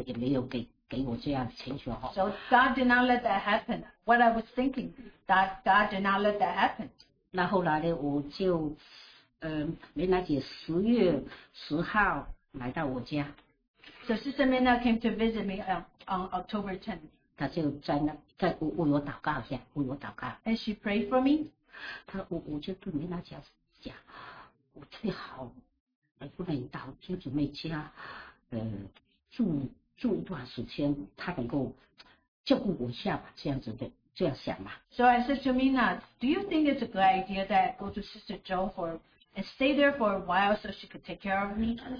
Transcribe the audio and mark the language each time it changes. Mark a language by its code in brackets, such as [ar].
[zh] 那后来神也没有这样，我所想的也没有给我这样的情绪好。 [en] So God did not let that happen. What I was thinking, that God did not let that happen. [zh] 那后来呢，我就。梅娜姐10月10号来到我家 [en] So Sister Minna came to visit me on October 10th [zh] 她就在那为我祷告一下为我祷告 [en] And she prayed for me [zh] 她我就对梅娜姐讲我最好能不能到天主妹家住一段时间她能够照顾我一下吧这样子的 [en] So I said to Minna, do you think it's a good idea that I go to Sister Zhou for and stay there for a while so she could take care of me?